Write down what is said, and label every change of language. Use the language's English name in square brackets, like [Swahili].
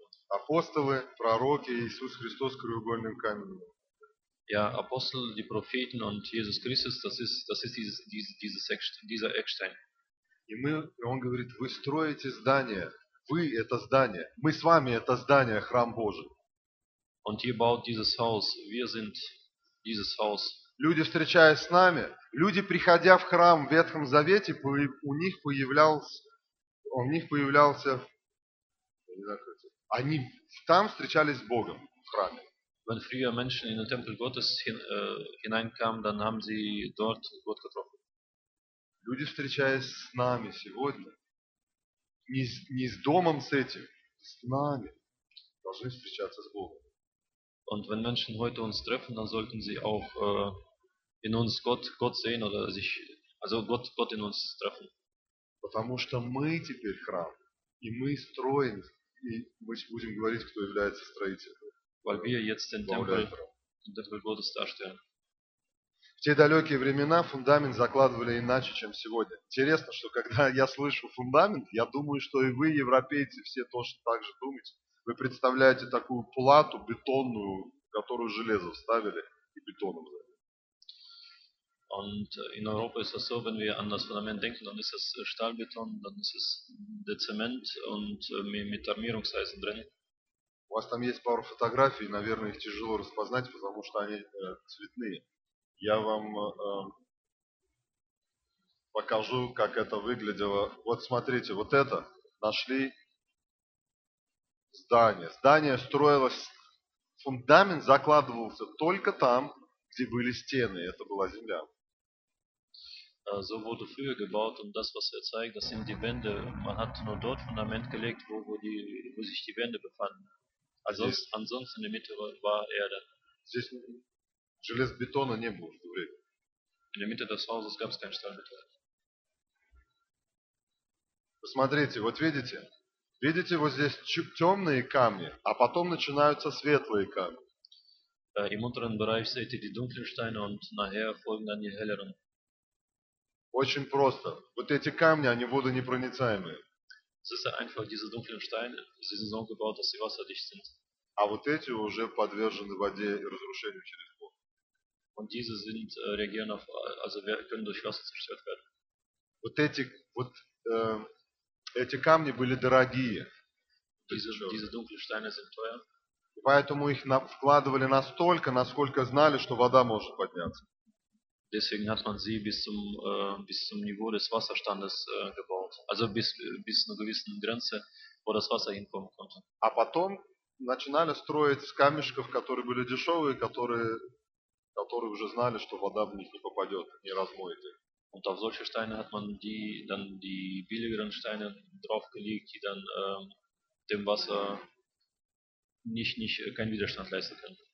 [Russian] апостолы, пророки, Иисус Христос краеугольным каменем. [German] Ja, Apostel, die Propheten und Jesus Christus, das ist dieser Eckstein. [Russian] Он говорит, вы строите здание. Вы – это здание. Мы с вами – это здание, храм Божий. [German] Und he baut dieses Haus. Wir sind dieses Haus. [Russian] Люди, встречаясь с нами, люди, приходя в храм в Ветхом Завете, у них появлялся Они там встречались с Богом в храме. [German] Wenn früher Menschen in den Tempel Gottes hineinkamen, dann haben sie dort Gott getroffen. [Russian] Люди встречаясь с нами сегодня, не с домом с этим, с нами, должны встречаться с Богом. [German] Und wenn Menschen heute uns treffen, dann sollten sie auch in uns Gott sehen oder sich, also Gott in uns treffen. [Russian] Потому что мы теперь храм, и мы строим, и мы будем говорить, кто является строителем. [German] Weil wir jetzt den Tempel Gottes darstellen. [Russian] В те далекие времена фундамент закладывали иначе, чем сегодня. Интересно, что когда я слышу фундамент, я думаю, что и вы, европейцы, все точно так же думаете. Вы представляете такую плату бетонную, которую железо вставили и бетоном залили. [German] Und in Europa ist das so, wenn wir an das Fundament denken, dann ist es Stahlbeton, dann ist es der Zement und mit Armierungseisen drin. [Russian] У вас там есть пару фотографий, наверное, их тяжело распознать, потому что они цветные. Я вам покажу, как это выглядело. Вот смотрите, вот это нашли здание. Здание строилось, фундамент закладывался только там, где были стены, это была земля. [German] So wurde früher gebaut und das, was er zeigt, das sind die Wände. Man hat nur dort Fundament gelegt, wo sich die Wände befanden. Ansonsten in der Mitte war Erde. [Russian] Здесь железобетона не было в то время. [German] In der Mitte des Hauses gab es keinen Stahlbeton. [Russian] Посмотрите, вот видите? Видите, вот здесь темные камни, а потом начинаются светлые камни. [German] Im unteren Bereich seht ihr die dunklen Steine und nachher folgen dann die helleren. [Russian] Очень просто. Вот эти камни, они водонепроницаемые. [German] Es ist einfach diese dunklen Steine, sie sind so gebaut, dass sie wasserdicht sind. [Russian] А вот эти уже подвержены воде и разрушению через Бог. [German] Und diese sind reagieren auf, also können durch Wasser zerstört werden. [Russian] Вот эти камни были дорогие. [German] Diese dunklen Steine sind teuer. [Russian] И поэтому их вкладывали настолько, насколько знали, что вода может подняться. [German] Deswegen hat man sie bis zum Niveau des Wasserstandes gebaut. Also bis einer gewissen Grenze, wo das Wasser hinkommen konnte. [Russian] А потом начинали строить с камешков, которые были дешевые, которые уже знали, что вода в них не попадет, не размоет их. [German] Und auf solche Steine hat man die billigeren Steine draufgelegt, die dann dem Wasser nicht keinen Widerstand leisten können.